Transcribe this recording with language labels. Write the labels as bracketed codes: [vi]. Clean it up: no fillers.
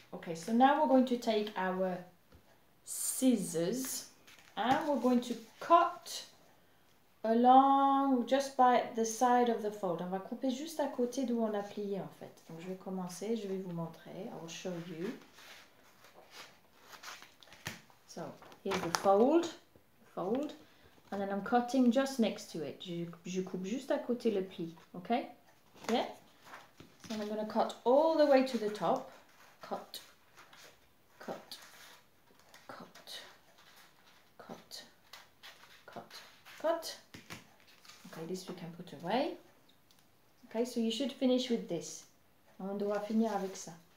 [en] Okay, so now we're going to take our scissors and we're going to cut along just by the side of the fold. [fr] On va couper juste à côté d'où on a plié en fait. Donc je vais commencer, je vais vous montrer. [en] I will show you. So, here's the fold. And then I'm cutting just next to it. [fr] Je coupe juste à côté le pli, okay? [en] Yeah? So I'm going to cut all the way to the top. Cut. Cut. Cut. Cut. Cut. Cut. Okay, this we can put away. Okay, so you should finish with this. [fr] On doit finir avec ça.